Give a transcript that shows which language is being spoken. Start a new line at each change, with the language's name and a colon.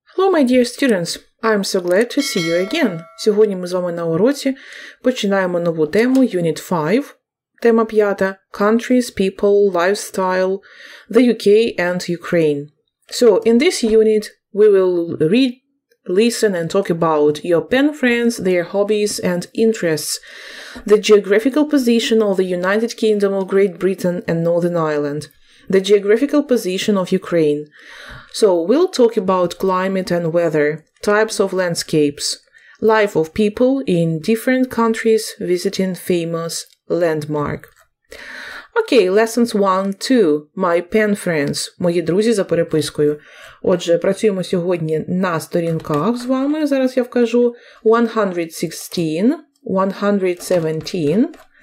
English: my dear students, I'm so glad to see you again.
Ukrainian: Сьогодні ми з вами на уроці починаємо нову тему, Unit 5. Тема п'ята –
English: Countries, People, Lifestyle, the UK and Ukraine. So, in this unit, we will read, listen and talk about your pen friends, their hobbies and interests, the geographical position of the United Kingdom of Great Britain and Northern Ireland, the geographical position of Ukraine. So, we'll talk about climate and weather, types of landscapes, life of people in different countries visiting famous landmark. Окей, lessons 1-2. My pen friends.
Ukrainian: Мої друзі за перепискою. Отже, працюємо сьогодні на сторінках з вами. Зараз я вкажу 116, 117, 118.